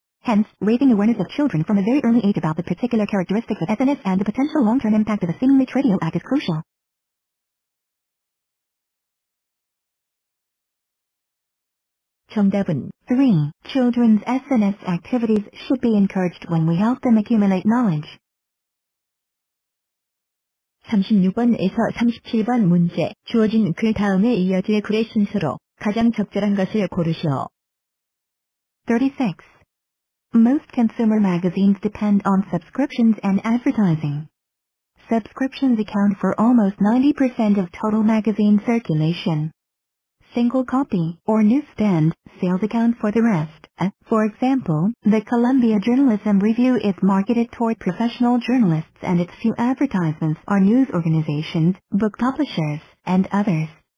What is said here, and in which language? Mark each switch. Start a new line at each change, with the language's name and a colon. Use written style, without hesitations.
English: Hence, raising awareness of children from a very early age about the particular characteristics of SNS and the potential long-term impact of a seemingly trivial act is crucial.
Korean: 정답은 3.
English: Children's SNS activities should be encouraged when we help them accumulate knowledge.
Korean: 36번에서 37번 문제. 주어진 글 다음에 이어질 글의 순서로 가장 적절한 것을 고르시오. 36.
English: Most consumer magazines depend on subscriptions and advertising. Subscriptions account for almost 90% of total magazine circulation. Single copy, or newsstand, sales account for the rest. For example, the Columbia Journalism Review is marketed toward professional journalists and its few advertisements are news organizations, book publishers, and others.